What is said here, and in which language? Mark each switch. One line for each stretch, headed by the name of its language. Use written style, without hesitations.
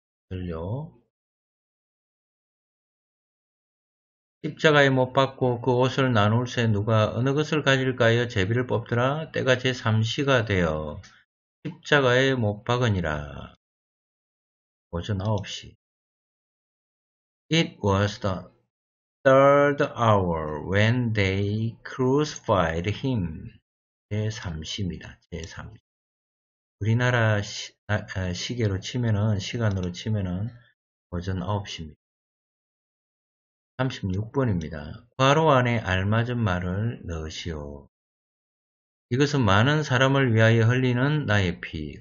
Korean: 들려. 십자가에 못 박고 그 옷을 나눌 새 누가 어느 것을 가질까요? 제비를 뽑더라. 때가 제3시가 되어 십자가에 못 박으니라. 오전 9시.
English: It was the third hour when they crucified him.
Korean: 제3시입니다. 제3시. 우리나라 시간으로 치면은 오전 9시입니다. 36번입니다. 과로 안에 알맞은 말을 넣으시오. 이것은 많은 사람을 위하여 흘리는 나의 피.